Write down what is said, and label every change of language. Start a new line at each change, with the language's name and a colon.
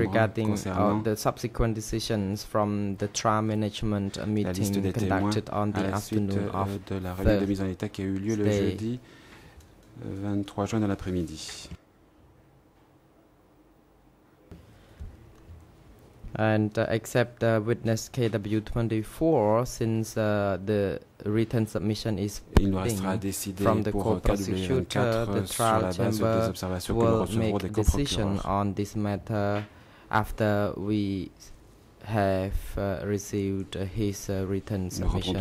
English: regarding the subsequent decisions from the trial management meeting conducted on the afternoon of
French: de la réunion de mise en état qui a eu lieu le jeudi 23 juin dans l'après-midi.
English: And except witness KW24, since the written submission is pending from the co-prosecutor, the trial chamber will make a decision on this matter after we have received his written submission.